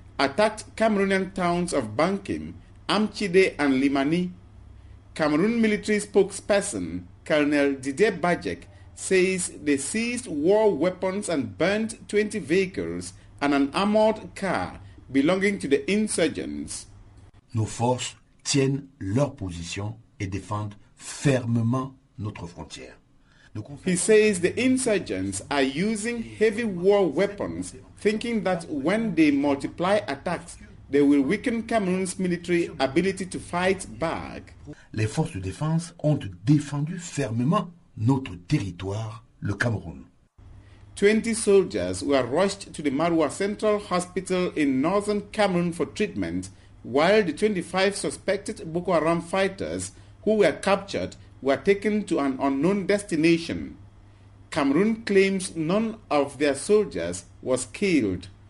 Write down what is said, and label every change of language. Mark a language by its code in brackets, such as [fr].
[en] attacked Cameroonian towns of Bankin, Amchide and Limani. Cameroon military spokesperson Colonel Didier Bajek says they seized war weapons and burnt 20 vehicles and an armored car belonging to the insurgents. [fr] Nos forces tiennent leur position et défendent fermement notre frontière. [en] He says the insurgents are using heavy war weapons, thinking that when they multiply attacks, they will weaken Cameroon's military ability to fight back. [fr] Les forces de défense ont défendu fermement notre territoire, le Cameroun. [en] 20 soldiers were rushed to the Marwa Central Hospital in northern Cameroon for treatment, while the 25 suspected Boko Haram fighters who were captured were taken to an unknown destination. Cameroon claims none of their soldiers was killed.